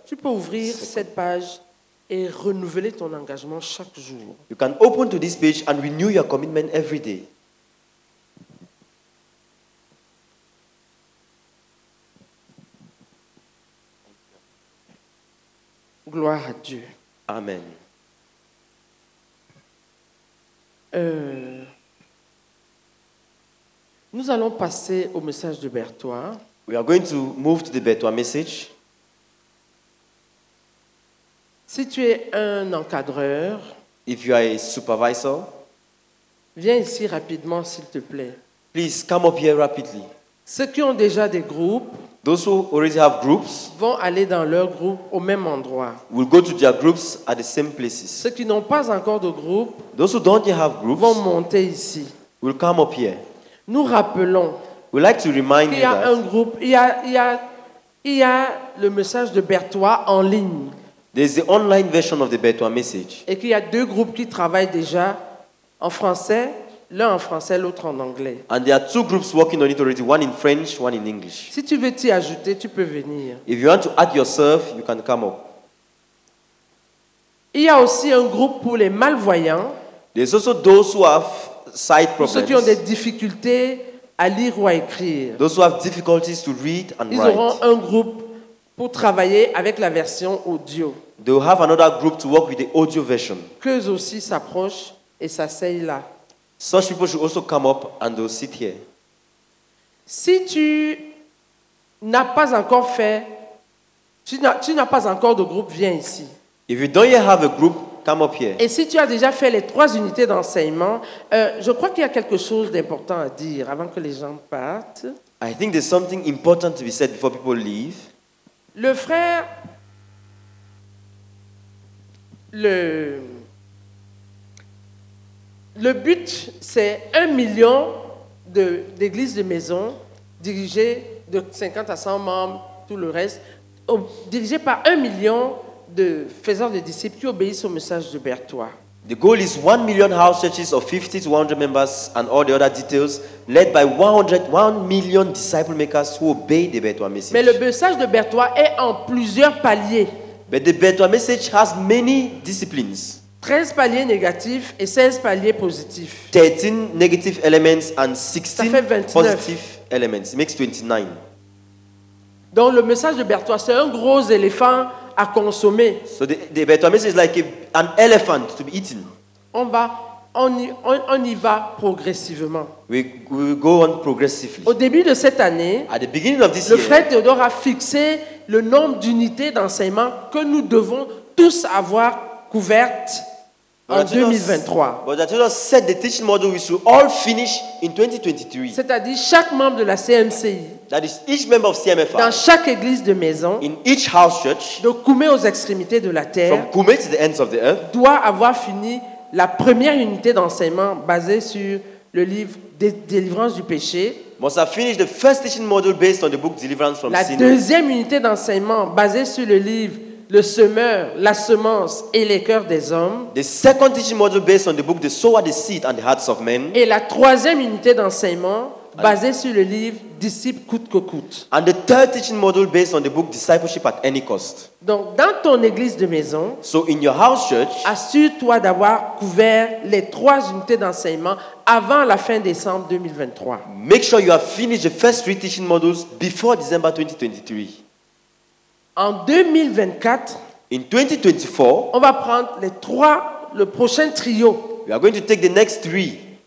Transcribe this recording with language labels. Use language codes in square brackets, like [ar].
[fr] Tu peux ouvrir cette page et renouveler ton engagement chaque jour. [en] You can open to this page and renew your commitment every day. [fr] Gloire à Dieu. Amen. Nous allons passer au message de Bertoua. [en] We are going to move to the Bertoua message. [fr] Si tu es un encadreur, [en] if you are a supervisor, [fr] viens ici rapidement, s'il te plaît. [en] Please come up here rapidly. [fr] Ceux qui ont déjà des groupes, [en] those who already have groups, [fr] vont aller dans leur groupe au même endroit. [en] Will go to their groups at the same places. [fr] Ceux qui n'ont pas encore de groupe, [en] those who don't yet have groups, [fr] vont monter ici. [en] Will come up here. [fr] Nous rappelons. [en] We like to remind [fr] qu'il y a un groupe. Il y a le message de Bertoua en ligne. [en] There's the online version of the Bertoua message. [fr] Et qu'il y a deux groupes qui travaillent déjà en français, l'un en français, l'autre en anglais. [en] And there are two groups working on it already, one in French, one in English. [fr] Si tu veux t'y ajouter, tu peux venir. [en] If you want to add yourself, you can come up. [fr] Il y a aussi un groupe pour les malvoyants. [en] There's also those who have sight problems. [fr] Ceux qui ont des difficultés à lire ou à écrire. [en] Those who have difficulties to read and [fr] write. Ils auront un groupe pour travailler avec la version audio. [en] They'll have another group to work with the audio version. [fr] Qu'eux aussi s'approchent et s'asseyent là. [en] Such people should also come up and they'll sit here. [fr] Si tu n'as pas encore fait, tu n'as pas encore de groupe, viens ici. [en] If you don't yet have a group, come up here. [fr] Et si tu as déjà fait les trois unités d'enseignement, je crois qu'il y a quelque chose d'important à dire avant que les gens partent. [en] I think there's something important to be said before people leave. [fr] Le frère, le but, c'est 1 million d'églises de maison dirigées de 50 à 100 membres, tout le reste, dirigées par 1 million de faiseurs de disciples qui obéissent au message de Bertoua. [en] The goal is 1 million house churches of 50 to 100 members and all the other details led by 1 million disciple makers who obey the Bertoua message. [fr] Mais le message de Bertoua est en plusieurs paliers. [en] But the Bertoua message has many disciplines. [fr] 13 paliers négatifs et 16 paliers positifs. [en] 13 negative elements and 16 positive elements. It makes 29. [fr] Donc le message de Bertoua, c'est un gros éléphant à consommer. [en] So the Bertoua message is like an elephant to be eaten. [fr] On y va progressivement. [en] We go on progressively. [fr] Au début de cette année, [en] at the beginning of this [fr] le frère Théodore a fixé le nombre d'unités d'enseignement que nous devons tous avoir couvertes en 2023. [en] But that set the teaching model we should all finish in 2023. [fr] C'est-à-dire chaque membre de la CMCI. [en] That is each member of CMFI. [fr] Dans chaque église de maison. [en] In each house church. [fr] De Koume aux extrémités de la terre. [en] From Koume to the ends of the earth. [fr] Doit avoir fini la première unité d'enseignement basée sur le livre Délivrance du péché. [en] Must have finished the first teaching module based on the book Deliverance from [fr] Sin. La deuxième unité d'enseignement basée sur le livre Le semeur, la semence et les cœurs des hommes. [en] The second teaching module based on the book The Sower, the Seed and the Hearts of Men. [fr] Et la troisième unité d'enseignement basée sur le livre Disciple coûte que coûte. [en] And the third teaching module based on the book Discipleship at Any Cost. [fr] Donc dans ton église de maison, [en] so in your house church, [fr] assure-toi d'avoir couvert les trois unités d'enseignement avant la fin décembre 2023. [en] Make sure you have finished the first three teaching modules before December 2023. [fr] En 2024, [en] in 2024, [fr] on va prendre le prochain trio. [en] We are going to take the next three.